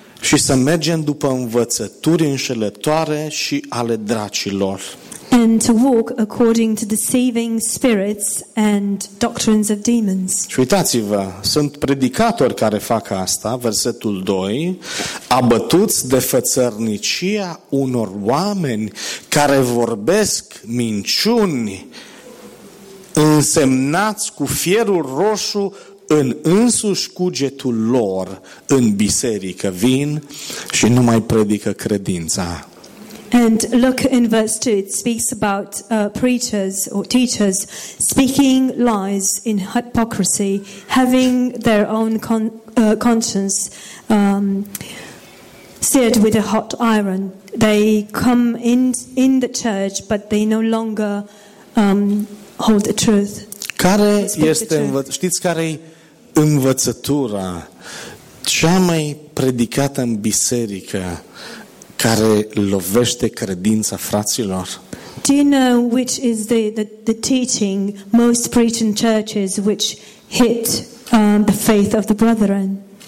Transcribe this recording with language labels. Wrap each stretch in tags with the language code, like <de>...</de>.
<ro>Și să mergem după învățături înșelătoare și ale dracilor.</ro> <en>And to walk according to deceiving spirits and doctrines of demons.</en> <ro>Și uitați-vă, sunt predicatori care fac asta, versetul 2, abătuți de fățărnicia unor oameni care vorbesc minciuni însemnați cu fierul roșu în însuși cugetul lor, în biserică vin și nu mai predică credința.</ro> <en>And look in verse 2, it speaks about preachers or teachers speaking lies in hypocrisy, having their own conscience seared with a hot iron. They come in the church, but they no longer hold the truth.</en> <ro>Care este știți care-i învățătura cea mai predicată în biserică? Care lovește credința fraților.</ro> <en>Do you know which is the teaching most preached in churches which hit the faith of the brethren?</en>